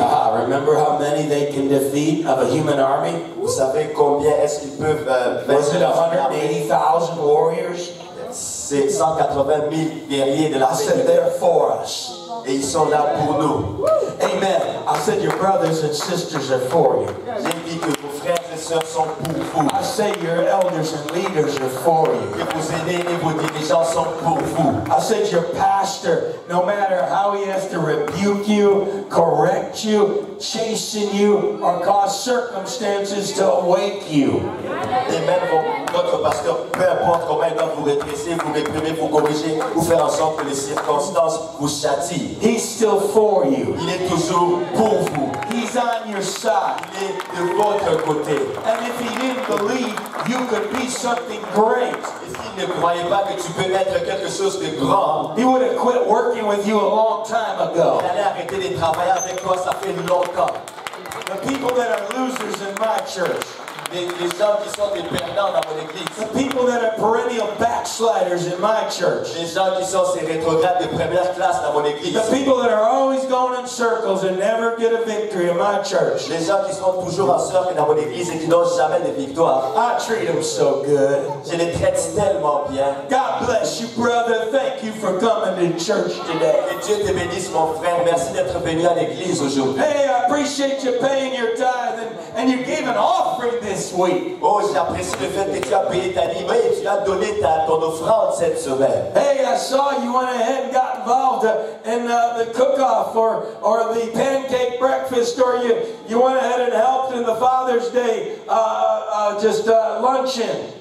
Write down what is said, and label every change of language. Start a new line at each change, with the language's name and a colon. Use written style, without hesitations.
English: Ah, remember how many they can defeat of a human army?
French: Vous savez combien est-ce qu'ils peuvent vaincre?
English: Was it 180,000 warriors?
French: C'est 180 000 guerriers de l'armée.
English: I said they're for us.
French: Et ils sont là pour nous.
English: Amen. I said your brothers and sisters are for you.
French: J'ai dit que vos frères et sœurs sont pour vous.
English: I say your elders and leaders are for you.
French: Que vos aînés et vos dirigeants sont pour vous.
English: I said your pastor, no matter how he has to rebuke you, correct you, chasten you, or cause circumstances to awake you. Amen.
French: Votre pasteur, peu importe comment il doit vous redresser, vous réprimer, vous corriger, ou faire en sorte que les circonstances vous châtient.
English: He's still for you.
French: Il est toujours pour vous.
English: He's on your side.
French: Il est de votre côté.
English: And if he didn't believe, you could be something great.
French: Et s'il ne croyait pas que tu peux être quelque chose de grand,
English: he would have quit working with you a long time ago.
French: Il allait arrêter de travailler avec toi, ça fait longtemps.
English: The people that are losers in my church.
French: Les gens qui sont des perdants dans mon église.
English: The people that are perennial backsliders in my church.
French: Les gens qui sont ces rétrogrades de première classe dans mon église.
English: The people that are always going in circles and never get a victory in my church.
French: Les gens qui sont toujours en cercle dans mon église et qui n'ont jamais de victoire.
English: I treat them so good.
French: Je les traite tellement bien.
English: God bless you, brother. Thank you for coming to church today.
French: Et Dieu te bénisse, mon frère. Merci d'être venu à l'église aujourd'hui.
English: Hey, I appreciate you paying your tithe and you gave an offering this.
French: Oh, j'apprécie le fait que tu as payé ta dîme et tu as donné ton offrande cette semaine.
English: Hey, I saw you went ahead and got involved in the cook-off or the pancake breakfast, or you went ahead and helped in the Father's Day luncheon.